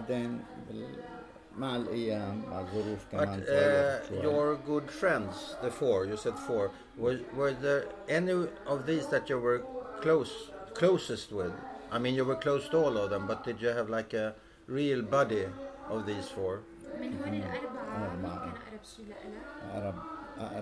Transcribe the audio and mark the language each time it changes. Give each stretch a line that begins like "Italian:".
English: of then
Arabic: مع الايام مع الظروف كمان
English: but your good friends the four you said four were there any of these that you were closest with I mean you were close to all of them but did you have like a real buddy of these four
Arabic: من هون الاربعه كان اقرب شيء لإلك